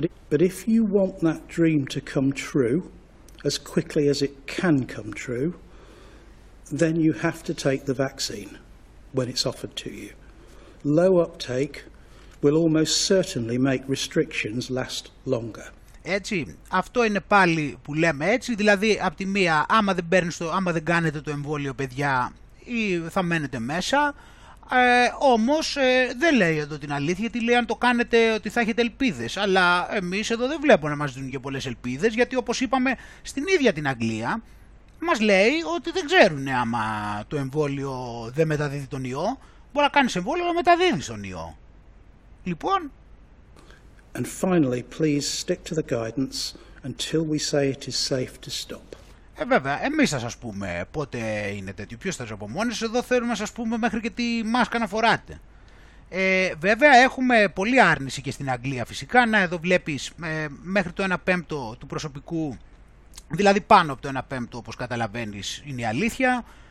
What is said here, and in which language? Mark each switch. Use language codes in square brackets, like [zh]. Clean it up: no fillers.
[en] But if you want that dream to come true as quickly as it can come true, then you have to take the vaccine when it's offered to you. Low uptake will almost certainly make restrictions last longer. [el] Έτσι, αυτό είναι πάλι που λέμε έτσι, δηλαδή από τη μία άμα δεν, άμα δεν κάνετε το εμβόλιο παιδιά ή θα μένετε μέσα, όμως δεν λέει εδώ την αλήθεια, τι λέει αν το κάνετε ότι θα έχετε ελπίδες, αλλά εμείς εδώ δεν βλέπω να μας δίνουν και πολλές ελπίδες, γιατί όπως είπαμε στην ίδια την Αγγλία μας λέει ότι δεν ξέρουν άμα το εμβόλιο δεν μεταδίδει τον ιό, μπορεί να κάνεις εμβόλιο αλλά μεταδίδεις τον ιό. Λοιπόν... [en] And finally, please stick to the guidance until we say it is safe to stop. [el] Βέβαια, εμείς θα σας πούμε πότε είναι τέτοιο. Ποιος θα σας απομόνωσε. Εδώ θέλουμε να σας πούμε μέχρι και τη μάσκα να φοράτε. Βέβαια, έχουμε πολλή άρνηση και στην Αγγλία φυσικά. Να, εδώ βλέπεις μέχρι το 1 πέμπτο του προσωπικού, δηλαδή πάνω από το 1 πέμπτο, όπως καταλαβαίνεις, είναι η αλήθεια.